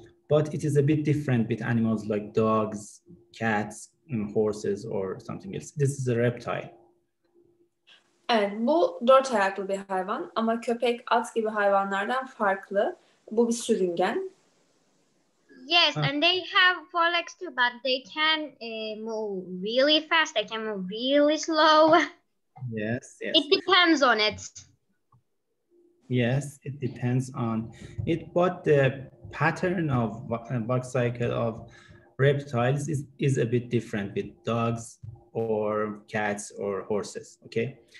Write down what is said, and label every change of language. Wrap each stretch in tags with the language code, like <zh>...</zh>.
<en>But it is a bit different with animals like dogs, cats, and horses or something else. This is a reptile.</en> <tr>Evet, bu dört ayaklı bir hayvan ama köpek, at gibi hayvanlardan farklı. Bu bir sürüngen.</tr> <en>Yes, and they have four legs too, but they can move really fast, they can move really slow. Yes. It depends on it. Yes, it depends on it. But the pattern of walk cycle of reptiles is a bit different with dogs or cats or horses, okay?</en>